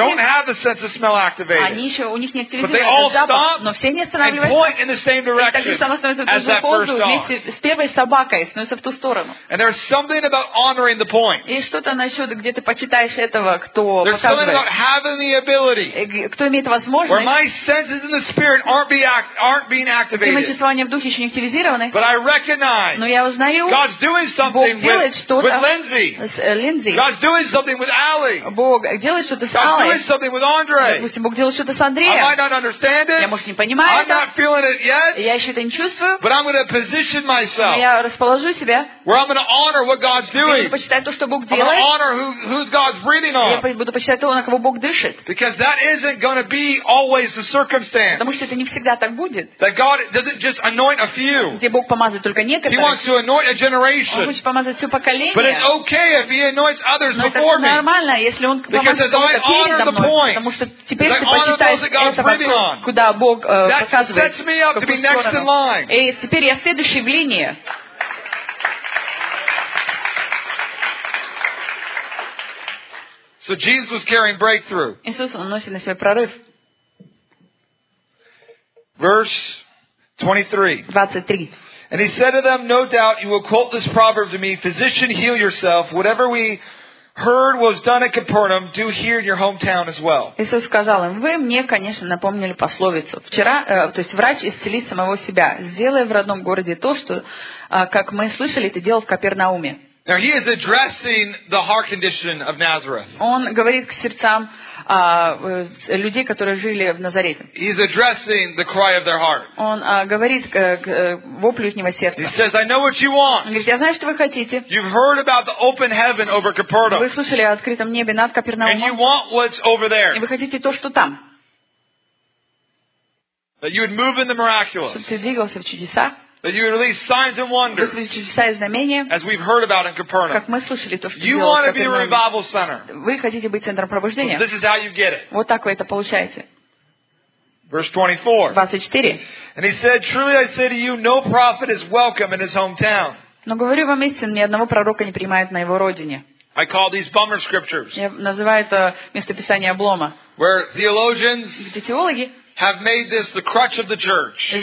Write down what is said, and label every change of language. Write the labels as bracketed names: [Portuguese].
[English] don't have the sense of smell activated. [Russian] Они еще, у них не активизирован этот запах, но все не останавливаются. [English] And point in the same direction. [Russian] И так же само становится в ту же позу вместе с первой собакой, становится в ту сторону. [English] And there's something about honoring the point. [Russian] И что-то насчет, где ты почитаешь этого, кто [English] there's [Russian] показывает. [English] There's something about having the ability. [Russian] Кто имеет возможность. [English] Where my senses in the spirit aren't being activated. [Russian] Мои чувства не в духе еще не активизированы. [English] But I recognize. [Russian] Но я узнаю. [English] God's doing something with Lindsay. Lindsay. God's doing something with Ali. [Russian] Бог делает что-то с Али. [English] God's doing something with Andre. [Russian] Допустим, Бог делает что-то с Андреем. [English] I might not understand it. [Russian] Я может не понимаю это. [English] I'm not feeling it yet. [Russian] Я еще это не чувствую. [English] But I'm going to position myself. [Russian] Я расположу себя. [English] Where I'm going to honor what God's doing. [Russian] Я почитаю то, что Бог делает. [English] I'm going to honor who's God's breathing on. [Russian] Я буду почитать то, на кого Бог дышит. [English] Because that isn't going to be always the circumstance. [Russian] Потому что это не всегда так будет. [English] That God doesn't just anoint a few. [Russian] Где Бог помазывает только некоторых. [English] He wants to anoint a generation. [Russian] Он хочет помазать все поколение. [English] But it's okay if He anoints others before me. [Russian] Но это нормально, если Он помазывает кого-то передо мной. Потому что теперь ты почитаешь этого, куда Бог показывает. [English] That sets me up to be next in line. [Russian] И теперь я следующий в линии. [English] So Jesus was carrying breakthrough. [Russian] Иисус носил на себе прорыв. [English] Verse 23. And he said to them, no doubt you will quote this proverb to me, physician, heal yourself. Whatever we heard was done at Capernaum, do here in your hometown as well. [Russian] Иисус сказал им, вы мне, конечно, напомнили пословицу. Вчера, то есть врач исцелит самого себя. Сделай в родном городе то, что, как мы слышали, ты делал в Капернауме. [English] Now he is addressing the heart condition of Nazareth. [Russian] Он говорит к сердцам людей, которые жили в Назарете. [English] He is addressing the cry of their heart. [Russian] Он говорит к воплю ихнего сердца. [English] He says, "I know what you want." [Russian] Он говорит, я знаю, что вы хотите. [English] You've heard about the open heaven over Capernaum. [Russian] Вы слышали о открытом небе над Капернаумом. [English] And you want what's over there. [Russian] И вы хотите то, что там. [English] That you would move in the miraculous. That you would release signs and wonders. As we've heard about in Capernaum. You want to be a revival center. Well, this is how you get it. [Russian] Вот так вы это получаете. [English] Verse 24. And he said, truly I say to you, no prophet is welcome in his hometown. [Russian] Но говорю вам истинно, ни одного пророка не принимают на его родине. [English] I call these bummer scriptures. [Russian] Я называю это местописание облома. [English] Where theologians [Russian] теологи [English] have made this the crutch of the church.